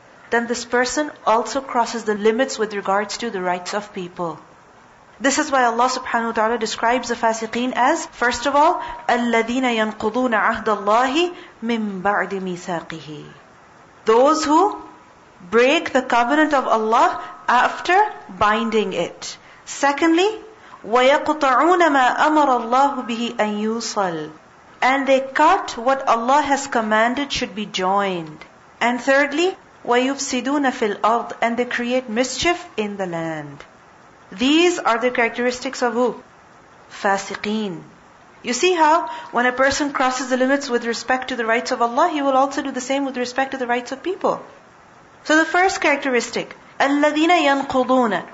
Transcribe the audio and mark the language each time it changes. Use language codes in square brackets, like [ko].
[en] Then this person also crosses the limits with regards to the rights of people. This is why Allah subhanahu wa ta'ala describes the fasiqeen as, first of all, [ar] الَّذِينَ يَنْقُضُونَ عَهْدَ اللَّهِ مِنْ بَعْدِ مِيثَاقِهِ. [en] Those who break the covenant of Allah after binding it. Secondly, [ar] وَيَقْطَعُونَ مَا أَمَرَ اللَّهُ بِهِ أَن يُوصَلْ. [en] And they cut what Allah has commanded should be joined. And thirdly, [ar] وَيُفْسِدُونَ فِي الْأَرْضِ. [en] And they create mischief in the land. These are the characteristics of who? Fasiqeen. You see how when a person crosses the limits with respect to the rights of Allah, he will also do the same with respect to the rights of people. So the first characteristic, [ar] الَّذِينَ يَنْقُضُونَ.